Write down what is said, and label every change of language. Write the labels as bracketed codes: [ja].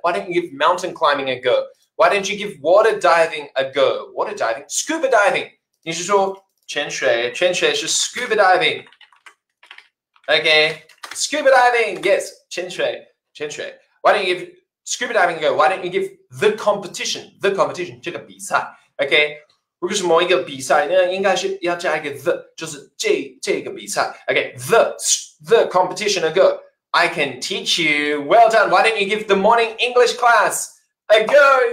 [en] Why don't you give mountain climbing a go? Why don't you give water diving a go? Water diving? Scuba diving. [zh] 你是说潜水？潜水是 [en] scuba diving. Okay. Scuba diving. Yes. 潜水。潜水。 Why don't you give scuba diving a go? Why don't you give the competition? The competition. [zh] 这个比赛。 [en] Okay. [zh] 如果是某一个比赛，那应该是要加一个 the， 就是这个比赛。 [en] Okay. The competition a go. I can teach you. Well done. Why don't you give the morning English class a go?